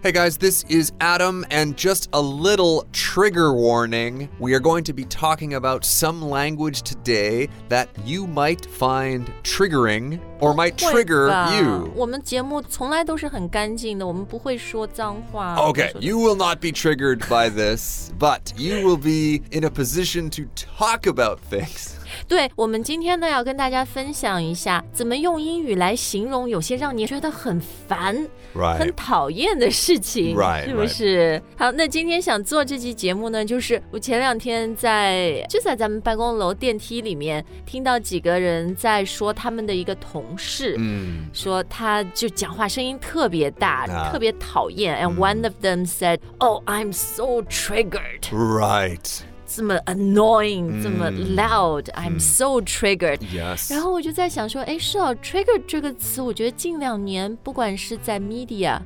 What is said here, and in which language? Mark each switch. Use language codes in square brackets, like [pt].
[en] Hey guys, this is Adam, and just a little trigger warning. We are going to be talking about some language today that you might find triggering or might trigger you. [zh] 我们节目从来都是很干净的，我们不会说脏话。 [en] Okay, you will not be triggered by this, but you will be in a position to talk about things. [zh] 对，我们今天呢要跟大家分享一下怎么用英语来形容有些让你觉得很烦、 [en] right. [zh] 很讨厌的事情 [en] right, [zh] 是不是、 [en] right. [zh] 好，那今天想做这期节目呢，就是我前两天就在咱们办公楼电梯里面听到几个人在说他们的一个同事、 mm. 说他就讲话声音特别大、特别讨厌 [en] and、 [zh] mm. [en] one of them said Oh, I'm so triggered Right [zh] 这么 [en] annoying、mm. 这么 loud I'm、mm. so triggered、 yes. [zh] 然后我就在想说哎，是哦 trigger 这个词我觉得近两年不管是在 media、